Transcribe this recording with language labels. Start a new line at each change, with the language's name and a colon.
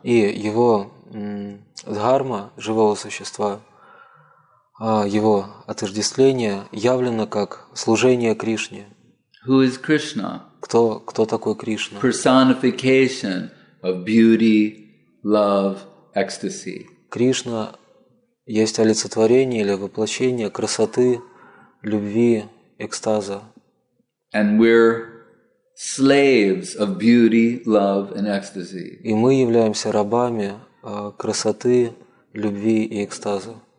Russian: И его Дхарма живого существа, его отождествление явлено как служение Кришне.
English: Who is Krishna?
Russian: Кто такой Кришна?
English: Personification of beauty, love, ecstasy.
Russian: Кришна есть олицетворение или воплощение красоты, любви, экстаза.
English: And we're slaves of beauty, love, and ecstasy.
Russian: И мы являемся рабами красоты, любви и экстаза.